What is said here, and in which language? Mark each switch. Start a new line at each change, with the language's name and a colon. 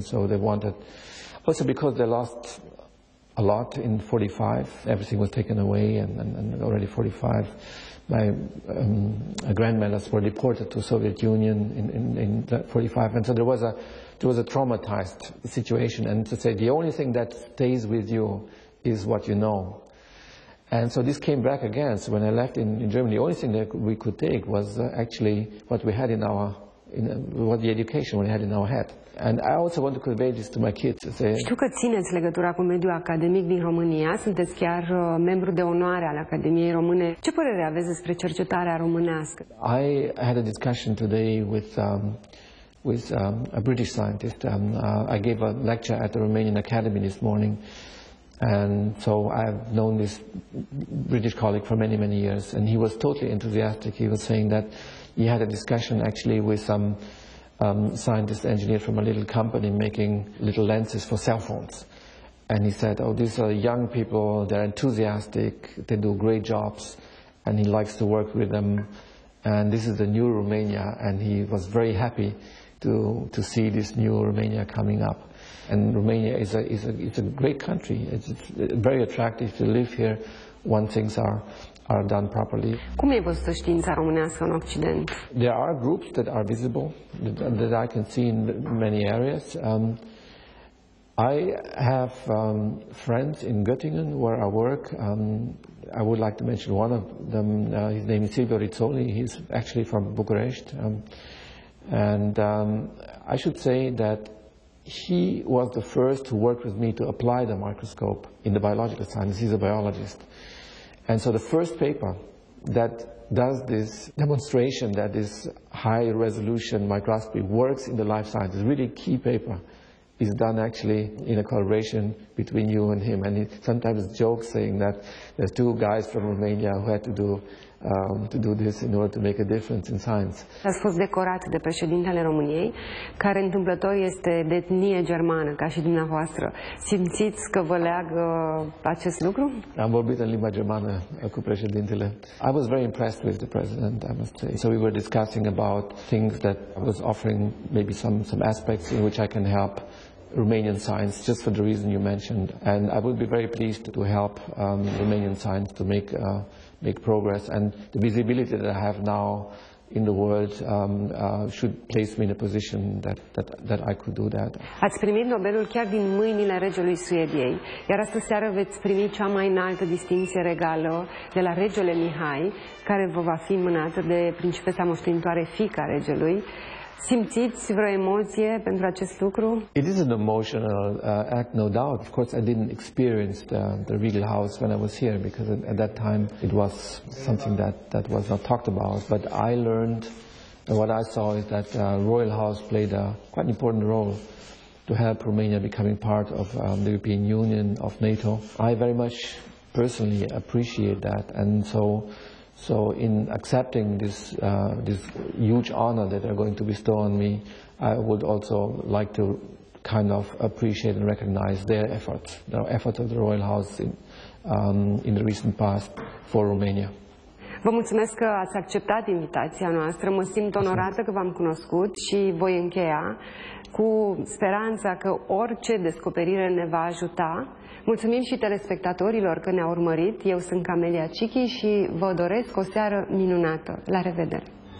English: So they wanted, also because they lost a lot in 45, everything was taken away, and already 45, my grandmothers were deported to Soviet Union in 45, and so there was a traumatized situation, and to say the only thing that stays with you is what you know. And so this came back again. So when I left in Germany, the only thing that we could take was actually what we had in our what the education we had in our head. And I also want to convey this to my kids.
Romanian: Știu că țineți legătura cu mediul academic din România, sunteți chiar membru de onoare al Academiei Române. Ce părere aveți despre cercetarea românească?
English: I had a discussion today with a British scientist. I gave a lecture at the Romanian Academy this morning. And so I've known this British colleague for many, many years. And he was totally enthusiastic. He was saying that he had a discussion actually with some scientist engineer from a little company making little lenses for cell phones. And he said, oh, these are young people, they're enthusiastic, they do great jobs, and he likes to work with them. And this is the new Romania, and he was very happy to see this new Romania coming up. And Romania is a great country. It's very attractive to live here when things are done properly.
Romanian: Cum e văzută știința românească în Occident?
English: There are groups that are visible, that I can see in many areas. I have friends in Göttingen where I work. I would like to mention one of them. His name is Silvio Rizzoli. He's actually from Bucharest. I should say that he was the first to work with me to apply the microscope in the biological sciences. He's a biologist. And so the first paper that does this demonstration that this high resolution microscopy works in the life sciences, really key paper, is done actually in a collaboration between you and him. And he sometimes jokes saying that there's two guys from Romania who had to do this in order to make a difference in science.
Romanian: A fost decorat de președintele României, care întâmplător este de etnie germană, ca și dumneavoastră. Simțiți că vă leagă acest lucru? Am vorbit în limba germană cu președintele.
English: I was very impressed with the president, I must say. So we were discussing about things that I was offering, maybe some aspects in which I can help Romanian science, just for the reason you mentioned. And I would be very pleased to help Romanian science to make progress, and the visibility that I have now in the world should place me in a position that I could do that.
Romanian: Ați primit Nobelul chiar din mâinile regelui Suediei, iar astă seară veți primi cea mai înaltă distinție regală de la regele Mihai, care vă va fi mânată de principesa moștenitoare fiica regelui. Simțiți vreo emoție pentru acest lucru?
English: It is an emotional act, no doubt. Of course, I didn't experience the regal house when I was here, because at that time it was something that was not talked about. But I learned, and what I saw is that the royal house played a quite important role to help Romania becoming part of the European Union, of NATO. I very much personally appreciate that, and so in accepting this huge honor that they're going to bestow on me, I would also like to kind of appreciate and recognize their efforts, the efforts of the Royal House in the recent past for Romania.
Romanian: Vă mulțumesc că ați acceptat invitația noastră. Mă simt onorată că v-am cunoscut și voi încheia cu speranța că orice descoperire ne va ajuta. Mulțumim și telespectatorilor că ne-au urmărit. Eu sunt Camelia Csiki și vă doresc o seară minunată. La revedere!